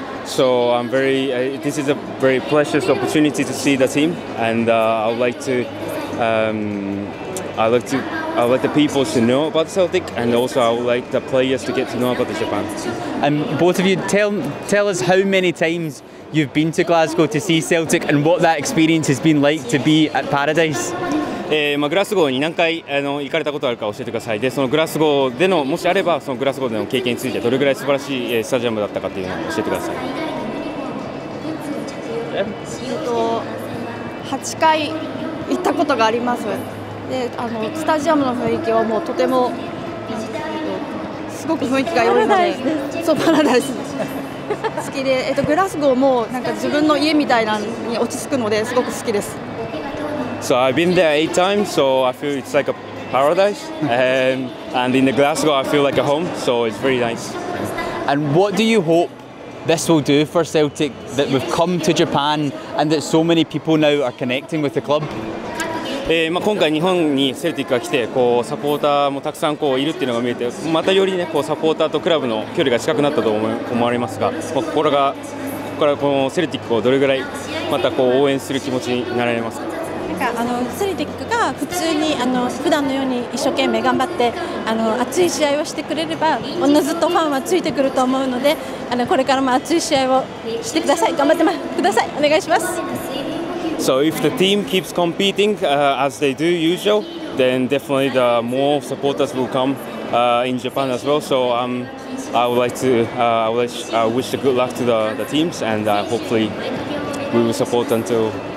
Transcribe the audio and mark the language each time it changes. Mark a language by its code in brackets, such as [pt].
[en] So I'm very, this is a very precious opportunity to see the team, and I would like the people to know about Celtic, and also I would like the players to get to know about the Japan. And both of you, tell us how many times you've been to Glasgow to see Celtic, and what that experience has been like to be at Paradise. [ja] グラスゴーに何回行かれたことがあるか教えてください。で、そのグラスゴーでの、もしあればそのグラスゴーでの経験についてどれぐらい素晴らしいスタジアムだったかというのを教えてください。 8回行ったことがあります。で、スタジアムの雰囲気はもうとてもすごく雰囲気が良いので、そうパラダイス好きで、グラスゴーもなんか自分の家みたいなのに落ち着くのですごく好きです。 [en] So I've been there 8 times, so I feel it's like a paradise. And in the Glasgow, I feel like a home, so it's very nice. And what do you hope this will do for Celtic, that we've come to Japan and that so many people now are connecting with the club? [ja] 今回日本にセルティックが来て、こうサポーターもたくさんこういるっていうのが見えて、またよりね、こうサポーターとクラブの距離が近くなったと思われますが、ここからこのセルティックをどれぐらいまたこう応援する気持ちになられますか？セルティックが普通に普段のように一生懸命頑張って熱い試合をしてくれれば、おのずとファンはついてくると思うので、これからも熱い試合をしてください。頑張ってください。お願いします。 [en] So if the team keeps competing as they do usual, then definitely the more supporters will come in Japan as well. So I wish the good luck to the teams, and hopefully we will support until